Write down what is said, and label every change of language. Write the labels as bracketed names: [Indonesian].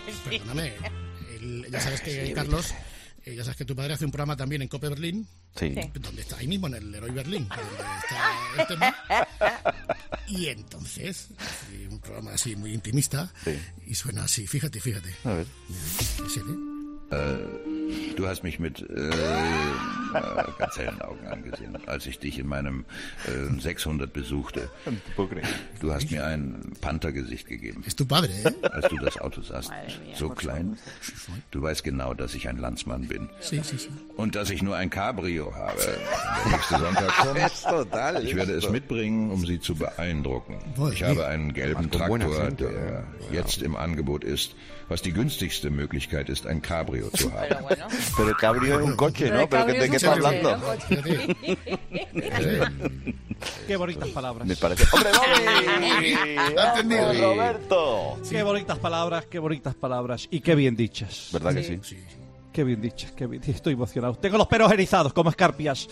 [Spanish] Perdóname, ya sabes que sí, Carlos, ya sabes que tu padre hace un programa también en Cope Berlín. Sí. ¿Dónde está? Ahí mismo, en el Leroy Berlín. Donde está el tema. Y entonces, un programa así muy intimista. Sí. Y suena así, fíjate. A ver. ¿Sí, eh? [German] Du hast mich mit ganz hellen Augen angesehen, als ich dich in meinem 600 besuchte. Du hast mir ein Panthergesicht gegeben, als du das Auto sahst. So klein. Du weißt genau, dass ich ein Landsmann bin. Und dass ich nur ein Cabrio habe. Ich werde es mitbringen, um sie zu beeindrucken. Ich habe einen gelben Traktor, der jetzt im Angebot ist, was die günstigste Möglichkeit ist, ein Cabrio zu haben. [Spanish] Pero Cabrio es un coche, ¿no? ¿Pero de qué estás hablando? Qué bonitas palabras. Me parece. ¡Hombre, Bobby! ¡Entendido! ¡Roberto! Sí. Qué bonitas palabras, qué bonitas palabras. Y qué bien dichas. ¿Verdad que sí? Qué bien dichas, qué bien. Estoy emocionado. Tengo los pelos erizados como escarpias.